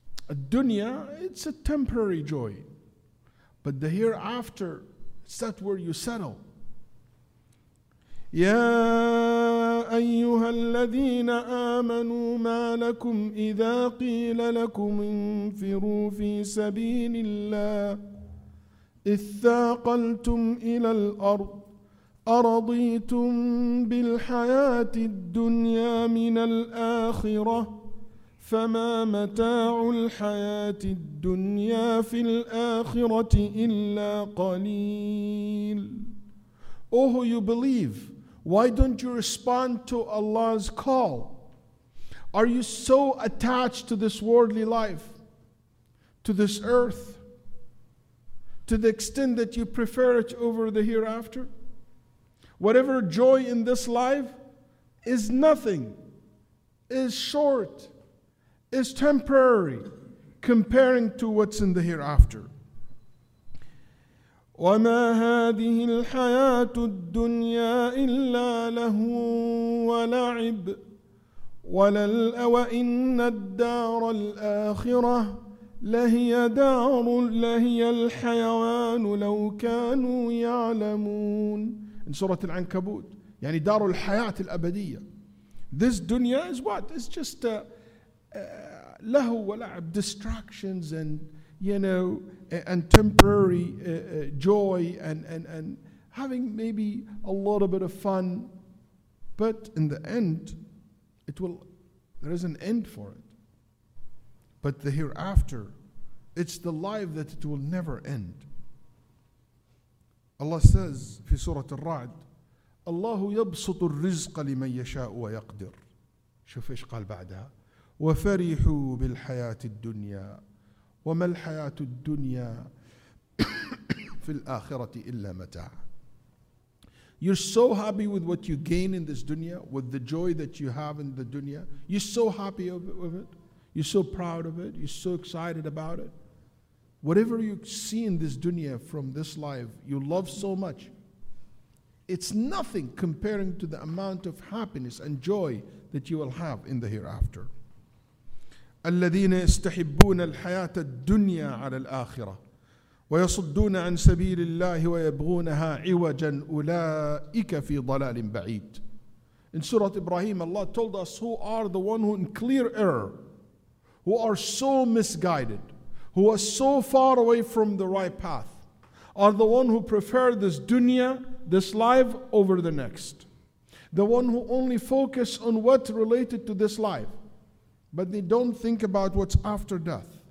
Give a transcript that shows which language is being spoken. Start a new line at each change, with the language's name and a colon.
English: الدنيا it's a temporary joy, but the hereafter is that where you settle.
Arabic: يا أيها الذين آمنوا ما لكم إذا قيل لكم انفروا في سبيل الله اثاقلتم إلى الأرض أرضيتم بالحياة الدنيا من الآخرة فما متاع الحياة الدنيا في الآخرة إلا قليل.
English: Oh, you believe. Why don't you respond to Allah's call? Are you so attached to this worldly life, to this earth, to the extent that you prefer it over the hereafter? Whatever joy in this life is nothing, is short, is temporary, comparing to what's in the hereafter.
Arabic: وما هذه الحياة الدنيا إلا له ولعب وإن الدار الآخرة لهي الحيوان لو كانوا يعلمون.
English: In Surah Al-Ankabut,
Arabic: يعني دار الحياة الأبدية.
English: This dunya is what? It's just a
Arabic: له ولعب,
English: distractions and and temporary joy and having maybe a little bit of fun, but in the end, there is an end for it. But the hereafter, it's the life that it will never end. Allah says
Arabic: في سورة الرعد, الله يبسط الرزق لمن يشاء ويقدر. شوف إيش قال بعدها, وفرحوا بالحياة الدنيا. وما الحياة الدنيا في الآخرة إلا متاع.
English: You're so happy with what you gain in this dunya, with the joy that you have in the dunya. You're so happy with it. You're so proud of it. You're so excited about it. Whatever you see in this dunya from this life, you love so much. It's nothing comparing to the amount of happiness and joy that you will have in the hereafter.
Arabic: الذين يستحبون الحياة الدنيا على الآخرة ويصدون عن سبيل الله ويبغونها عوجا أولئك في ضلال بعيد.
English: In Surah Ibrahim, Allah told us, who are the one who in clear error, who are so misguided, who are so far away from the right path, are the one who prefer this dunya, this life, over the next. The one who only focus on what's related to this life, but they don't think about what's after death.